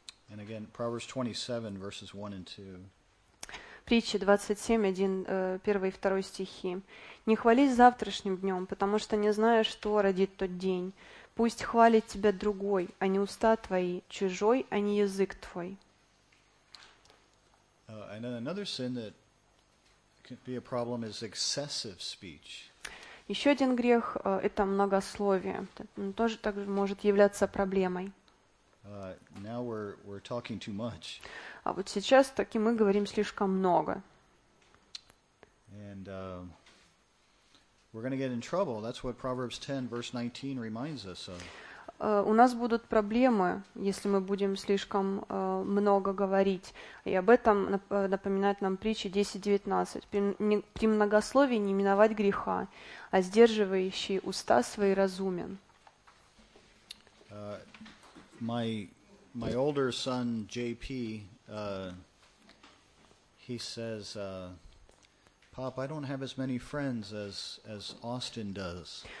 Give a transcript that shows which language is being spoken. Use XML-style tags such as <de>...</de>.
<en>And again, Proverbs 27, verses 1 and 2.</en> <ru>Притчи 27, 1, 1 и 2 стихи. «Не хвались завтрашним днем, потому что не знаешь, что родит тот день. Пусть хвалит тебя другой, а не уста твои, чужой, а не язык твой».</ru> <en>And then another sin that can be a problem is excessive speech.</en> <ru>Еще один грех – это многословие. Он тоже так же может являться проблемой.</ru> <en>Now we're talking too much.</en> <ru>А вот сейчас так и мы говорим слишком много.</ru> <en>And we're going to get in trouble. That's what Proverbs 10, verse 19 reminds us of.</en> <ru>У нас будут проблемы, если мы будем слишком много говорить. И об этом напоминает нам притча 10:19. При многословии не миновать греха, а сдерживающий уста свои разумен.</ru> <en>My older son JP, he says, "Pop, I don't have as many friends as Austin does."</en>